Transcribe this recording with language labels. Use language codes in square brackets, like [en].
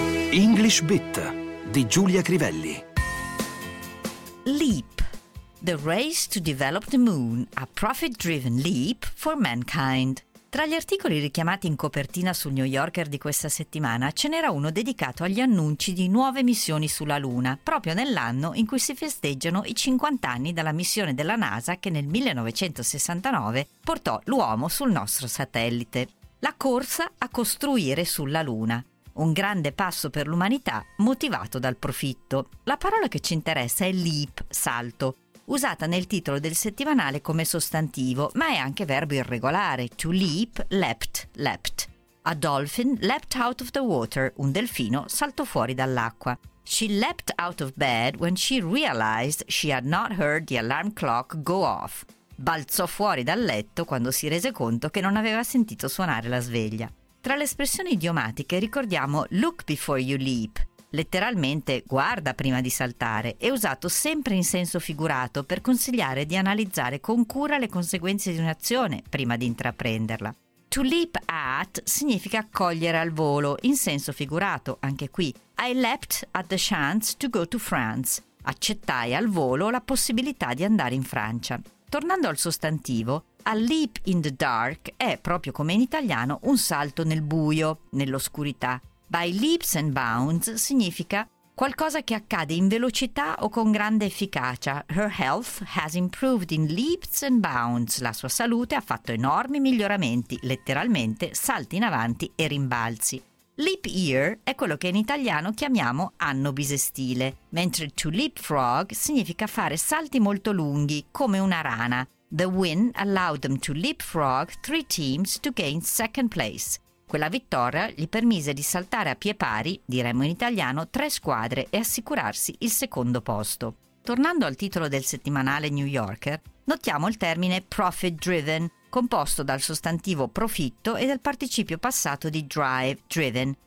[it] English Bit di Giulia Crivelli. [en] Leap. The race to develop the moon, a profit-driven leap for mankind. [it] Tra gli articoli richiamati in copertina sul New Yorker di questa settimana ce n'era uno dedicato agli annunci di nuove missioni sulla Luna, proprio nell'anno in cui si festeggiano i 50 anni dalla missione della NASA che nel 1969 portò l'uomo sul nostro satellite. La corsa a costruire sulla Luna. Un grande passo per l'umanità motivato dal profitto. La parola che ci interessa è leap, salto, usata nel titolo del settimanale come sostantivo, ma è anche verbo irregolare, to leap, leapt, leapt. [en] A dolphin leapt out of the water, [it] un delfino saltò fuori dall'acqua. [en] She leapt out of bed when she realized she had not heard the alarm clock go off. [it] Balzò fuori dal letto quando si rese conto che non aveva sentito suonare la sveglia. Tra le espressioni idiomatiche ricordiamo [en] look before you leap, [it] letteralmente guarda prima di saltare, è usato sempre in senso figurato per consigliare di analizzare con cura le conseguenze di un'azione prima di intraprenderla. To leap at significa cogliere al volo, in senso figurato, anche qui. [en] I leapt at the chance to go to France. [it] Accettai al volo la possibilità di andare in Francia. Tornando al sostantivo, [en] a leap in the dark [it] è, proprio come in italiano, un salto nel buio, nell'oscurità. [en] By leaps and bounds [it] significa qualcosa che accade in velocità o con grande efficacia. [en] Her health has improved in leaps and bounds. [it] La sua salute ha fatto enormi miglioramenti, letteralmente salti in avanti e rimbalzi. Leap year è quello che in italiano chiamiamo anno bisestile, mentre to leapfrog significa fare salti molto lunghi, come una rana. [en] The win allowed them to leapfrog three teams to gain second place. [it] Quella vittoria gli permise di saltare a pie pari, diremmo in italiano, tre squadre e assicurarsi il secondo posto. Tornando al titolo del settimanale New Yorker, notiamo il termine profit driven, composto dal sostantivo profitto e dal participio passato di drive, driven.